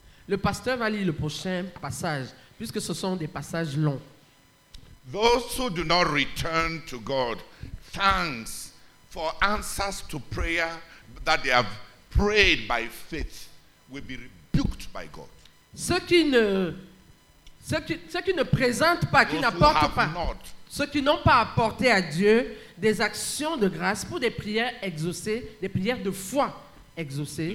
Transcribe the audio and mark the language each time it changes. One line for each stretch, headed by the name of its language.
French: Le pasteur va lire le prochain passage, puisque ce sont des passages longs.
English: Those who do not return to God, thanks for answers to prayer that they have prayed by faith, will be rebuked by God.
French: Ceux qui ne présentent pas, ceux qui n'ont pas apporté à Dieu des actions de grâce pour des prières exaucées, des prières de foi exaucées.